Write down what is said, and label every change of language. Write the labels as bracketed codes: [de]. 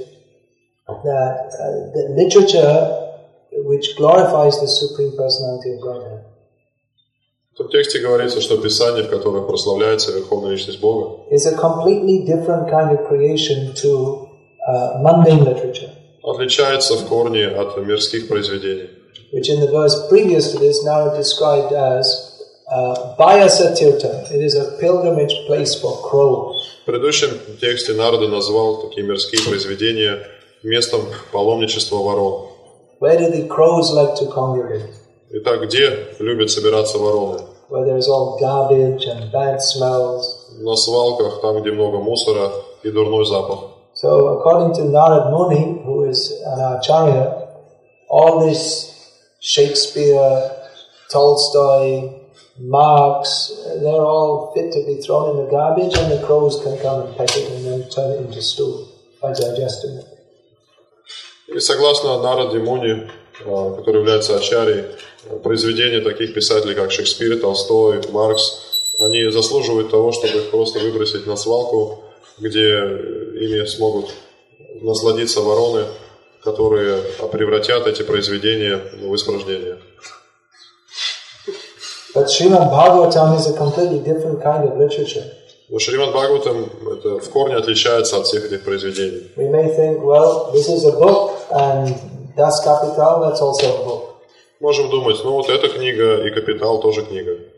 [en] Here it is stated that literature which glorifies the Supreme Personality of Godhead. [ru] В тексте говорится, что писание, в котором прославляется Верховная Личность Бога, [en] is a completely different kind of creation to mundane literature. [ru] Отличается в корне от мирских произведений. [en] Which in the verse previous to this now described as Vyasatirtha. It is a pilgrimage place for crows. [ru] В предыдущем тексте Нарада назвал такие мирские произведения местом паломничества ворон. [en] Where do the crows like to congregate? [ru] Итак, где любят собираться вороны? [en] Where there is all garbage and bad smells. [ru] На свалках, там, где много мусора и дурной запах. [en] So, according to Narad Muni, who is an Acharya, all this Shakespeare, Tolstoy, Marx, they're all fit to be thrown in the garbage and the crows can come and peck it and then turn it into stool by digesting it. [ru] И согласно Нараде Муни, который является Ачарьей, произведения таких писателей, как Шекспир, Толстой, Маркс, они заслуживают того, чтобы их просто выбросить на свалку, где ими смогут насладиться вороны, которые превратят эти произведения в испражнения. [en] But Srimad Bhagavatam is a completely different kind of literature. [ru] Но Шримад Бхагаватам это в корне отличается от всех этих произведений. [en] We may think, well, this is a book, and Das Kapital, that's also a book. [ru] Можем думать, ну вот эта книга и Капитал тоже книга.